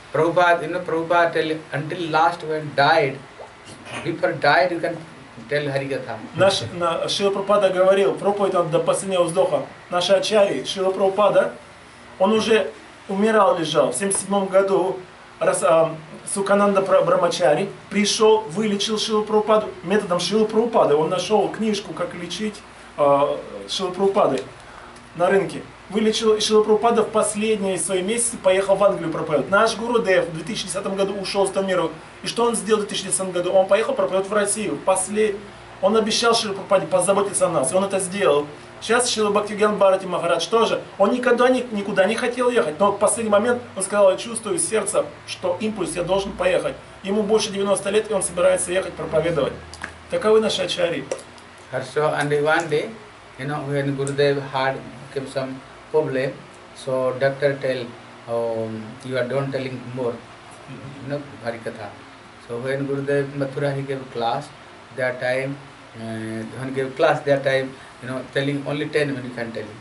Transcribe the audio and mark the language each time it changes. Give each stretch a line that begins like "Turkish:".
English: Prabhupada, you know, Prabhupada tell until last when died, before died, you can tell Harikatha.
Russian: Наш Шрила Прабхупада говорил, проповедь он до последнего вздоха. Наши ачари, Шрила Прабхупада, он уже умирал, лежал в 77 году, Сукананда Брамачари пришел, вылечил Шрилу Прабхупаду методом Шрилы Прабхупады. Он нашел книжку, как лечить Шрилу Прабхупады на рынке. Вылечил Шрилу Прабхупаду в последние свои месяцы, поехал в Англию проповедовать. Наш гуру Дев в 2010 году ушел с того мира. И что он сделал в 2010 году? Он поехал проповедовать в Россию. Он обещал Шрилу Прабхупаде позаботиться о нас, и он это сделал. Сейчас Шрила Бхактиган Бхарати Махарадж тоже. Он никогда никуда не хотел ехать, но в последний момент он сказал, я чувствую из сердца, что импульс, я должен поехать. Ему больше 90 лет, и он собирается ехать проповедовать. Таковы наши ачари.
English: Хорошо, and one day, you know, when Gurudev had came some problem, so doctor tell, you are don't telling more, you know, Harikatha. So when Gurudev Mathura, he gave class, that time, when he gave class that time, you know, telling only 10 minutes can tell.